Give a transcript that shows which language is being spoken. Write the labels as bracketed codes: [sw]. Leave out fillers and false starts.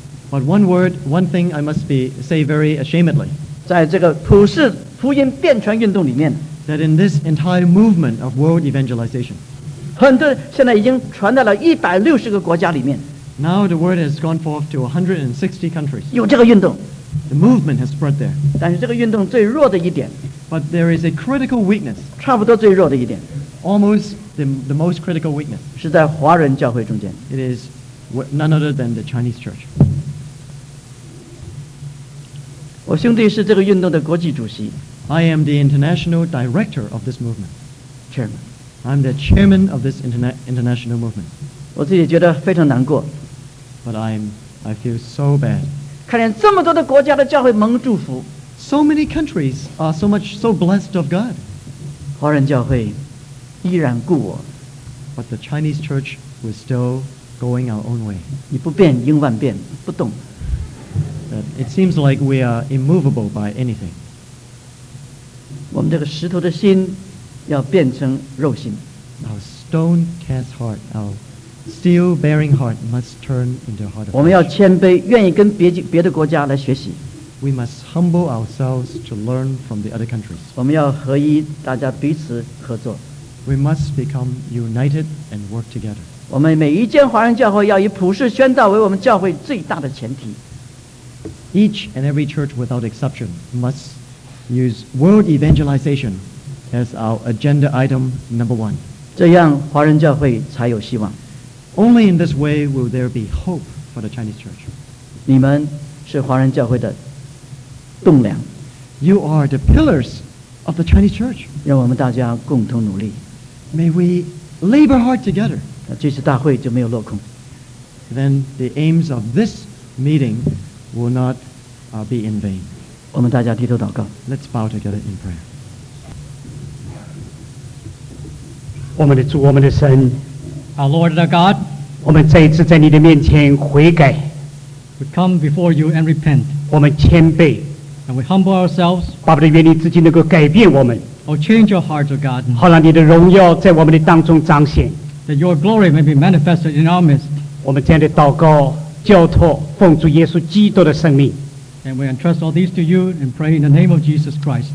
[en] But one thing I must say very ashamedly. [zh] 在这个普世福音遍传运动里面。 [en] That in this entire movement of world evangelization. [zh] 很多现在已经传到了160个国家里面。 [en] Now the word has gone forth to 160 countries. [zh] 有这个运动。 [en] The movement has spread there. [zh] 但是这个运动最弱的一点。 [en] But there is a critical weakness. [zh] 差不多最弱的一点。 [en] Almost the most critical weakness. [zh] 是在华人教会中间。 [en] It is none other than the Chinese church. [zh] 我兄弟是这个运动的国际主席。 [en] I am the international director of this movement. Chairman. I'm the chairman of this international movement. [zh] 我自己觉得非常难过。 [en] But I feel so bad. [zh] 看见这么多的国家的教会蒙祝福。 [en] So many countries are so much so blessed of God. [zh] 华人教会依然顾我。 [en] But the Chinese church was still going our own way. [zh] 你不变应万变，不动。 [en] It seems like we are immovable by anything. [zh] 我们这个石头的心要变成肉心。 [en] Our stone cast heart, our steel bearing heart must turn into a heart of flesh. [zh] 我们要谦卑，愿意跟别的国家来学习。 [en] We must humble ourselves to learn from the other countries. [zh] 我们要合一，大家彼此合作。 [en] We must become united and work together. [zh] 我们每一间华人教会要以普世宣道为我们教会最大的前提。 [en] Each and every church, without exception, must use world evangelization as our agenda item number one. [zh] 这样华人教会才有希望。 [en] Only in this way will there be hope for the Chinese church. [zh] 你们是华人教会的栋梁。 [en] You are the pillars of the Chinese church. [zh] 让我们大家共同努力。 [en] May we labor hard together. [zh] 这次大会就没有落空。 [en] Then the aims of this meeting will not be in vain. [zh] 我们大家低头祷告。 [en] Let's bow together in prayer. [zh] 我们的主，我们的神。 [en] Our Lord and our God. [zh] 我们再一次在你的面前悔改。 [en] We come before you and repent. [zh] 我们谦卑。 [en] And we humble ourselves. [zh] 爸爸的愿你自己能够改变我们。 [en] Oh, change your hearts, O God. [zh] 好让你的荣耀在我们的当中彰显。 [en] That your glory may be manifested in our midst. [zh] 我们这样的祷告交托奉主耶稣基督的圣名。 [en] And we entrust all these to you and pray in the name of Jesus Christ.